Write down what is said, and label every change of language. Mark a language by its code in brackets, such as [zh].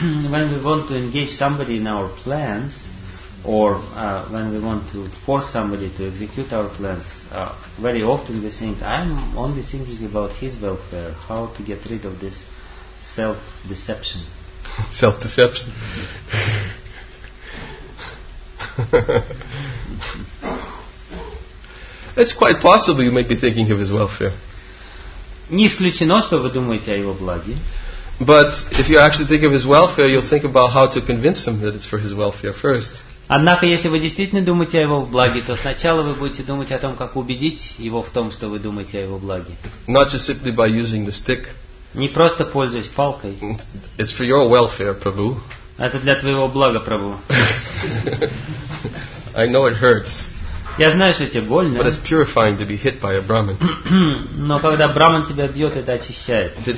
[en] When we want to engage somebody in our plans, or when we want to force somebody to execute our plans, very often we think, I'm only thinking about his welfare, how to get rid of this self-deception. Self-deception. It's quite possible you may be thinking of his welfare. [ru] Не исключено, что вы думаете о его благе. [en] But if you actually think of his welfare, you'll think about how to convince him that it's for his welfare first. [ru] Однако, если вы действительно думаете о его благе, то сначала вы будете думать о том, как убедить его в том, что вы думаете о его благе. [en] Not just simply by using the stick. [ru] Не просто пользуясь палкой. [en] It's for your welfare, Prabhu. [ru] Это для твоего блага, Прабу. [en] I know it hurts. [ru] Я знаю, что тебе больно. [en] But it's purifying to be hit by a Brahmin. [ru] Но когда Брахман тебя бьет, это очищает.